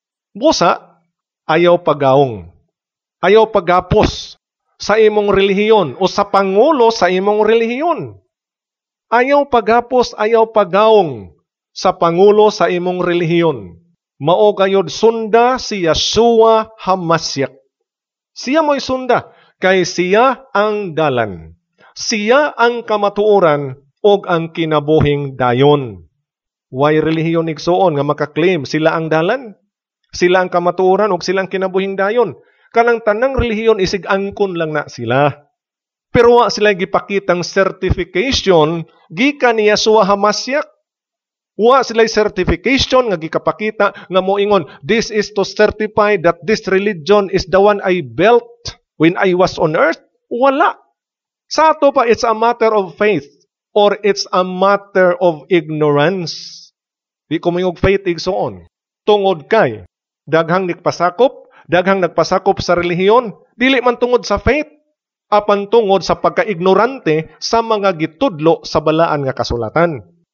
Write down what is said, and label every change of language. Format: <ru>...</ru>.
<ceb>Busa, ayaw pagaong, ayaw pagapos sa imong relihiyon o sa pangulo sa imong relihiyon. Ayaw pagapos, ayaw pagaong sa pangulo sa imong relihiyon. Mao kayod sunda si Yeshua Hamasyak. Siya mo'y sunda, kay siya ang dalan. Siya ang kamatuoran o ang kinabuhing dayon. Way relihiyon igsoon nga makaklaim sila ang dalan, sila ang kamatuoran ug sila ang kinabuhing dayon. Kanang tanang relihiyon isig angkon lang na sila. Pero wa sila gipakitang certification gikan ni Yeshua Hamasyak. Wa sila certification nga gikapakita nga moingon,</ceb> <en>"This is to certify that this religion is the one I built when I was on earth." Wala.</en> <ceb>Sa ato pa,</ceb> <en>it's a matter of faith or it's a matter of ignorance.</en> <ceb>Di kumingog faith igsoon. Tungod kay, daghang nagpasakop, daghang nagpasakop sa relihiyon, dili man tungod sa faith, apan tungod sa pagka-ignorante sa mga gitudlo sa balaan nga kasulatan.</ceb>